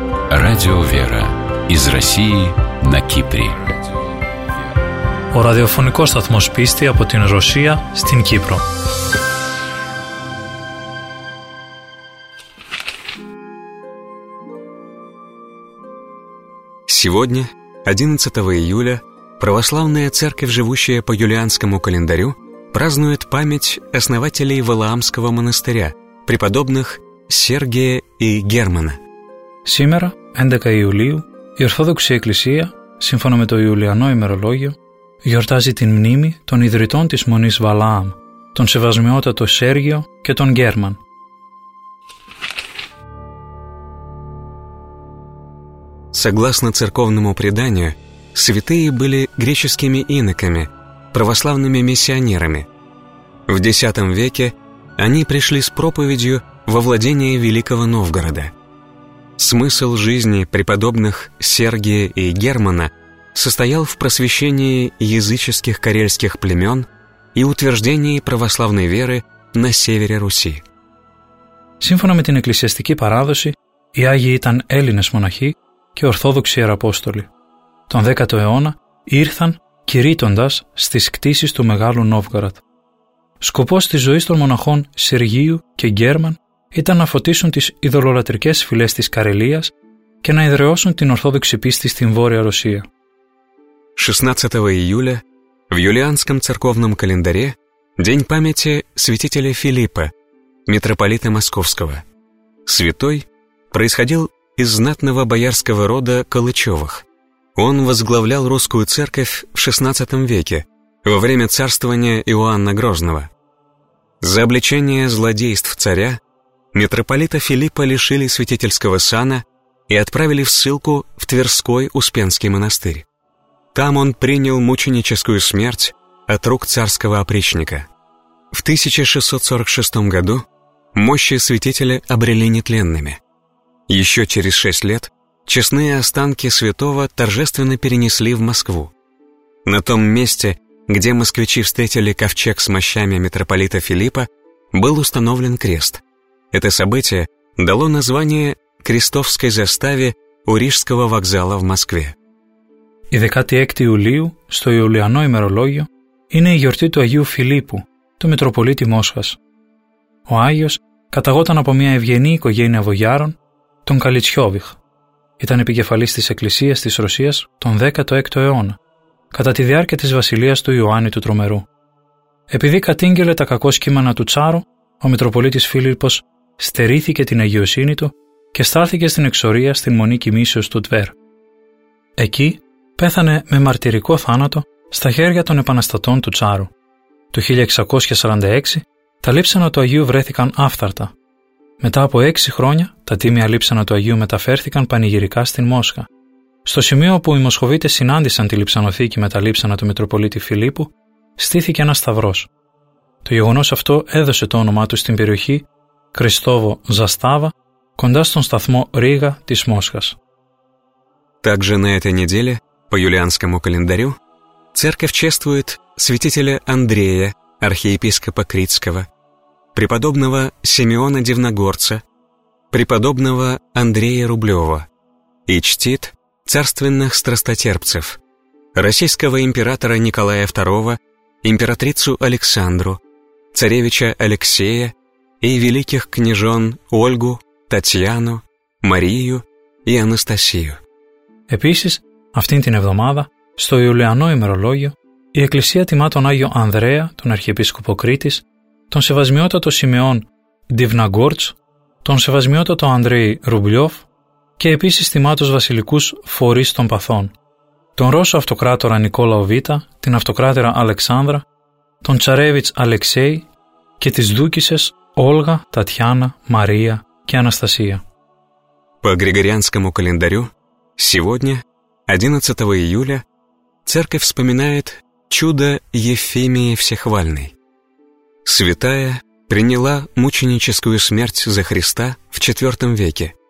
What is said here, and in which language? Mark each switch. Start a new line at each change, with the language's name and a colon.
Russian: Радио «Вера» из России на Кипре.
Greek: Ο ραδιοφωνικός σταθμός πίστη από την Ρωσία στην Κύπρο.
Russian: Сегодня, 11 июля, православная церковь, живущая по юлианскому календарю, празднует память основателей Валаамского монастыря, преподобных Сергия и Германа. Сегодня, 11 июля,
Greek: η Ορθόδοξη Εκκλησία, σύμφωνα με το Ιουλιανό ημερολόγιο, γιορτάζει την μνήμη των ιδρυτών της Μονής Βαλάαμ, τον Σεβασμιότατο Σέργιο και τον Γκέρμαν.
Russian: Согласно церковному преданию, святые были греческими иноками, православными миссионерами. В X веке они пришли с проповедью во владение Великого Новгорода. Смысл жизни преподобных Сергия и Германа состоял в просвещении языческих карельских племен и утверждении православной веры на севере Руси.
Greek: Σύμφωνα με την εκκλησιαστική παράδοση, οι Άγιοι ήταν Έλληνες μοναχοί και Ορθόδοξοι Ιεραπόστολοι. Τον 10ο αιώνα ήρθαν κηρύττοντας στις κτίσεις του Μεγάλου Νόβγαρατ. Σκοπός της ζωής των μοναχών Σεργίου και Γκέρμαν ήταν να φωτίσουν τις ειδωλολατρικές φυλές της Καρελίας και να εδραιώσουν την Ορθόδοξη πίστη στην Βόρεια Ρωσία.
Russian: 16 июля в юлианском церковном календаре день памяти святителя Филиппа, митрополита Московского. Святой происходил из знатного боярского рода Калычевых. Он возглавлял русскую церковь в XVI веке, во время царствования Иоанна Грозного. За обличение злодейств царя митрополита Филиппа лишили святительского сана и отправили в ссылку в Тверской Успенский монастырь. Там он принял мученическую смерть от рук царского опричника. В 1646 году мощи святителя обрели нетленными. Еще через 6 лет честные останки святого торжественно перенесли в Москву. На том месте, где москвичи встретили ковчег с мощами митрополита Филиппа, был установлен крест. Это событие дало название крестовской заставе у Рижского вокзала в Москве.
Greek: Η 16η Ιουλίου, στο Ιουλιανό ημερολόγιο, είναι η γιορτή του Αγίου Φιλίππου, του Μητροπολίτη Μόσχας. Ο Άγιος καταγόταν από μια ευγενή οικογένεια βογιάρων, τον Καλιτσιόβιχ. Ήταν επικεφαλής της Εκκλησίας της Ρωσίας τον 16ο αιώνα, κατά τη διάρκεια της βασιλείας του Ιωάννη του Τρομερού. Επειδή κατήγγειλε τα κακό σκήμανα του Τσάρου, ο Μητροπολίτης Φίλιππος στερήθηκε την αγιοσύνη του και στάθηκε στην εξορία στην Μονή Κοιμήσεως του Τβέρ. Εκεί πέθανε με μαρτυρικό θάνατο στα χέρια των επαναστατών του Τσάρου. Το 1646 τα λείψανα του Αγίου βρέθηκαν άφθαρτα. Μετά από 6 χρόνια τα τίμια λείψανα του Αγίου μεταφέρθηκαν πανηγυρικά στην Μόσχα. Στο σημείο όπου οι Μοσχοβίτες συνάντησαν τη λειψανοθήκη με τα λείψανα του Μητροπολίτη Φιλίππου, στήθηκε ένα σταυρός. Το γεγονός αυτό έδωσε το όνομά του στην περιοχή Κριστόβο Ζαστάβα, κοντά στον σταθμό Ρίγα της Μόσχας.
Russian: По юлианскому календарю церковь чествует святителя Андрея, архиепископа Критского, преподобного Симеона Дивногорца, преподобного Андрея Рублева и чтит царственных страстотерпцев, российского императора Николая II, императрицу Александру, царевича Алексея и великих княжон Ольгу, Татьяну, Марию и Анастасию.
Greek: Επίσης, αυτήν την εβδομάδα, στο Ιουλιανό ημερολόγιο, η Εκκλησία τιμά τον Άγιο Ανδρέα, τον Αρχιεπίσκοπο Κρήτης, τον Σεβασμιότατο Σιμεών Ντιβναγκόρτς, τον Σεβασμιότατο Ανδρέη Ρουμπλιόφ και επίσης τιμά τους βασιλικούς φορείς των παθών, τον Ρώσο Αυτοκράτορα Νικόλαο Β, την Αυτοκράτερα Αλεξάνδρα, τον Τσαρέβιτς Αλεξέη και τις Δούκισσες Όλγα, Τατιάνα, Μαρία και Αναστασία.
Russian: По Григорианскому календарю, сегодня, 11 июля, церковь вспоминает чудо Ефимии Всехвальной. Святая приняла мученическую смерть за Христа в IV веке.